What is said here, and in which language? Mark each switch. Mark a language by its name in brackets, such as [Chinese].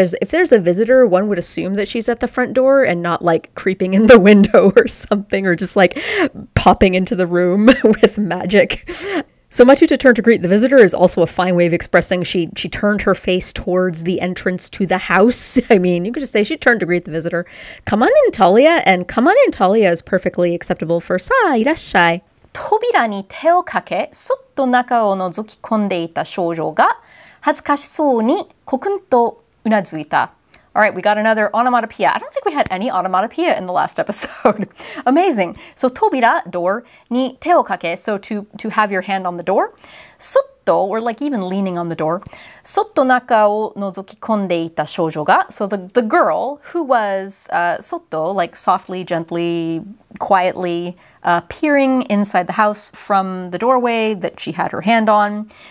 [English] If there's a visitor, one would assume that she's at the front door and not like creeping in the window or something, or just like popping into the room with magic. So Matuta turned to greet the visitor is also a fine way of expressing she turned her face towards the entrance to the house. I mean, you could just say she turned to greet the visitor. Come on in, Talia. And come on in, Talia is perfectly acceptable for [Japanese] さあ、いらっしゃい。扉に手をかけ、そっと中を覗き込んでいた少女が恥ずかしそうにコクンとうなずいた。 [English] All right, we got another onomatopoeia. I don't think we had any onomatopoeia in the last episode. Amazing. So, tobira, door, [Japanese] ni te o kake, [English] so to have your hand on the door. Sotto, or like even leaning on the door. [Japanese] Sotto naka o nozokikonde ita shoujo ga. [English] So the girl who was sotto, like softly, gently, quietly peering inside the house from the doorway that she had her hand on.